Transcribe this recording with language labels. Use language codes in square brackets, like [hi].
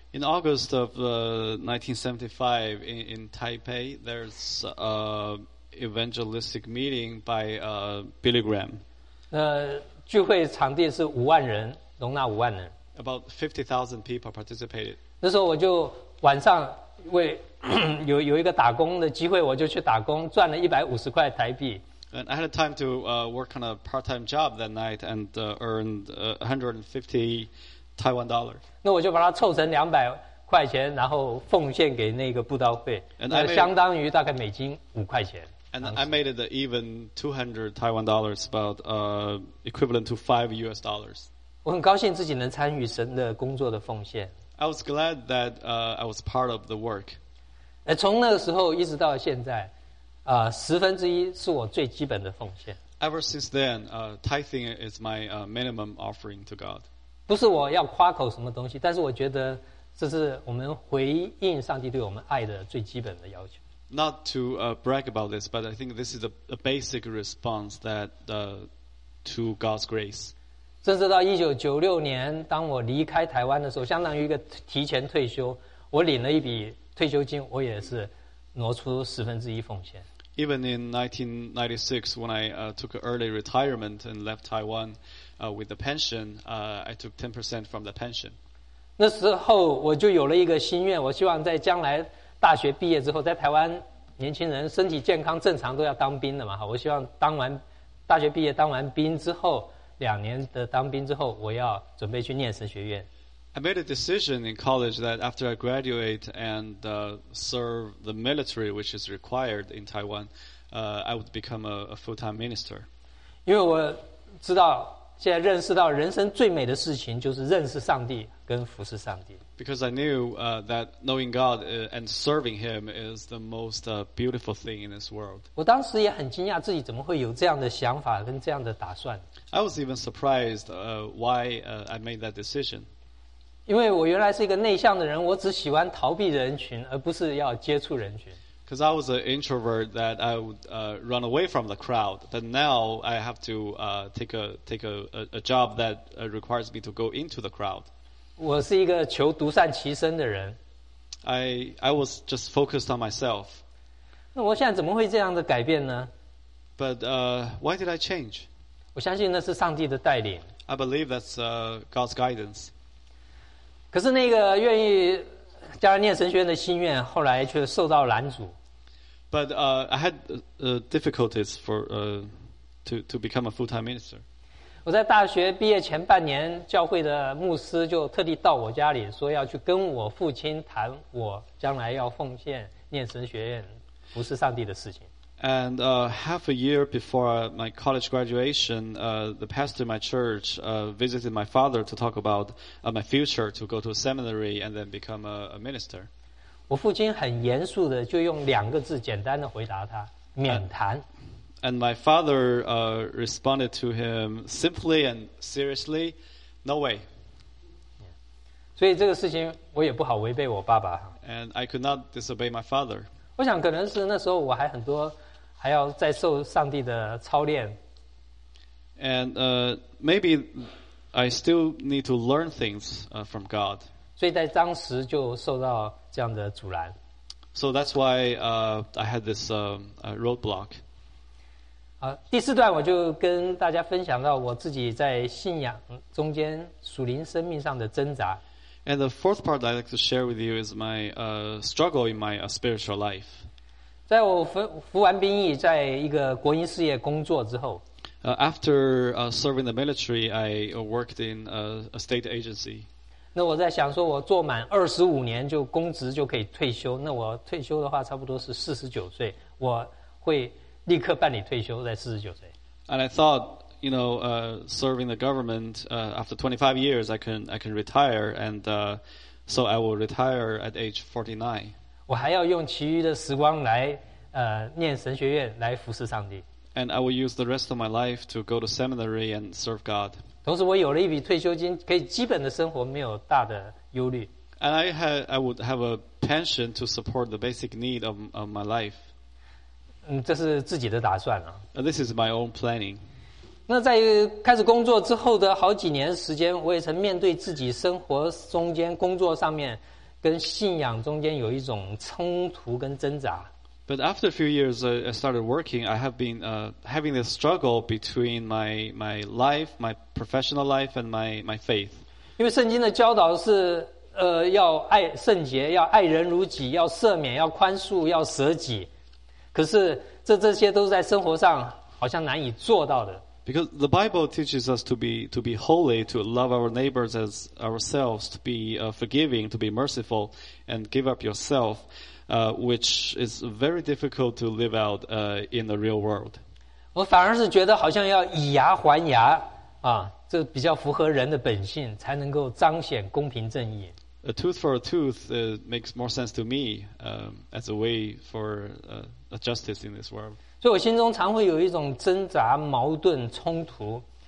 [en] In August of 1975 in Taipei, there's a evangelistic meeting by Billy Graham. [zh] 聚会场地是五万人，容纳五万人。 [en] About 50,000 people participated. [zh] 那时候我就晚上为有一个打工的机会，我就去打工，赚了150块台币。 [en] And I had time to work on a part-time job that night and earned 150 Taiwan dollars. [zh] 那我就把它凑成200块钱，然后奉献给那个布道会，那相当于大概美金5块钱。 [en] And I made it even 200 Taiwan dollars, about equivalent to $5. [zh] 我很高兴自己能参与神的工作的奉献。 [en] I was glad that I was part of the work. [zh] 从那个时候一直到现在，十分之一是我最基本的奉献。 [en] Ever since then, tithing is my minimum offering to God. [zh] 不是我要夸口什么东西，但是我觉得这是我们回应上帝对我们爱的最基本的要求。 [en] Not to brag about this, but I think this is a basic response that to God's grace. [zh] 甚至到1996年，当我离开台湾的时候，相当于一个提前退休，我领了一笔退休金，我也是挪出十分之一奉献。 [en] Even in 1996, when I took an early retirement and left Taiwan with the pension, I took 10% from the pension. [zh] 那时候我就有了一个心愿，我希望在将来大学毕业之后，在台湾年轻人身体健康正常都要当兵的嘛，我希望当完大学毕业当完兵之后，两年的当兵之后，我要准备去念神学院。 [en] I made a decision in college that after I graduate and serve the military, which is required in Taiwan, I would become a full-time minister. [zh] 因为我知道现在认识到人生最美的事情就是认识上帝跟服侍上帝。 [en] Because I knew that knowing God and serving Him is the most beautiful thing in this world. [zh] 我当时也很惊讶自己怎么会有这样的想法跟这样的打算。 [en] I was even surprised why I made that decision. [zh] 因为我原来是一个内向的人，我只喜欢逃避人群，而不是要接触人群。 [en] Because I was an introvert that I would run away from the crowd. But now I have to take a job that requires me to go into the crowd. [zh] 我是一个求独善其身的人。 [en] I was just focused on myself. [zh] 那我现在怎么会这样的改变呢？ [en] But why did I change? [zh] 我相信那是上帝的带领。 [en] I believe that's God's guidance. [zh] 可是那个愿意加入念神学院的心愿后来却受到拦阻。 [en] But I had difficulties for to become a full-time minister. [zh] 我在大学毕业前半年，教会的牧师就特地到我家里说要去跟我父亲谈我将来要奉献念神学院服侍上帝的事情。 [en] And half a year before my college graduation, the pastor in my church visited my father to talk about my future to go to a seminary and then become a minister. [zh] 我父亲很严肃的就用两个字简单的回答他，免谈。 [en] And my father responded to him simply and seriously, no way. [zh] 所以这个事情我也不好违背我爸爸。 [en] And I could not disobey my father. [zh] 我想可能是那时候我还很多还要再受上帝的操练。 [en] And maybe I still need to learn things from God. [zh] 所以在当时就受到这样的阻拦。 [en] So that's why I had this roadblock. [zh] 第四段我就跟大家分享到我自己在信仰中间属灵生命上的挣扎。 [en] And the fourth part I'd like to share with you is my struggle in my spiritual life. [zh] 在我服完兵役，在一个国营事业工作之后 [en] ，After serving the military, I worked in a state agency. [zh] 那我在想说，我做满25年就公职就可以退休。那我退休的话，差不多是49岁，我会立刻办理退休，在49岁。 [en] And I thought, you know, serving the government after 25 years, I can retire, and so I will retire at age 49. [zh] 我还要用其余的时光来念神学院来服侍上帝。 [en] And I will use the rest of my life to go to seminary and serve God. [zh] 同时我有了一笔退休金，可以基本的生活没有大的忧虑。 [en] And I would have a pension to support the basic need of my life. [zh] 这是自己的打算啊。 [en] This is my own planning. [zh] 那在开始工作之后的好几年时间，我也曾面对自己生活中间工作上面跟信仰中间有一种冲突跟挣扎。 [en] But after a few years, I started working. I have been having this struggle between my life, my professional life, and my faith. [zh] 因为圣经的教导是要爱圣洁，要爱人如己，要赦免，要宽恕，要舍己。可是这些都是在生活上好像难以做到的。 [en] Because the Bible teaches us to be holy, to love our neighbors as ourselves, to be forgiving, to be merciful, and give up yourself, which is very difficult to live out in the real world. [zh] 我反而是觉得好像要以牙还牙啊，这比较符合人的本性，才能够彰显公平正义。 [en] A tooth for a tooth makes more sense to me as a way for a justice in this world. [zh] 所以我心中常会有一种挣扎、矛盾、冲突。